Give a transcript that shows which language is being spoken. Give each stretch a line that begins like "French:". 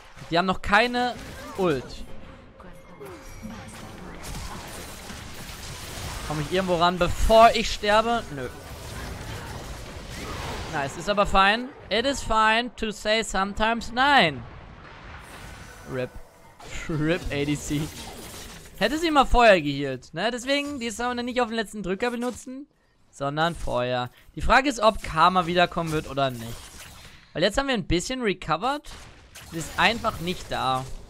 German: Die haben noch keine Ult. Komme ich irgendwo ran, bevor ich sterbe? Nö. Nice, ist aber fein.
English: It is fine to say sometimes nein. RIP. RIP ADC.
German: Hätte sie mal Feuer geheilt, ne? Deswegen, die sollen wir nicht auf den letzten Drücker benutzen, sondern Feuer. Die Frage ist, ob Karma wiederkommen wird oder nicht. Weil jetzt haben wir ein bisschen recovered. Sie ist einfach nicht da.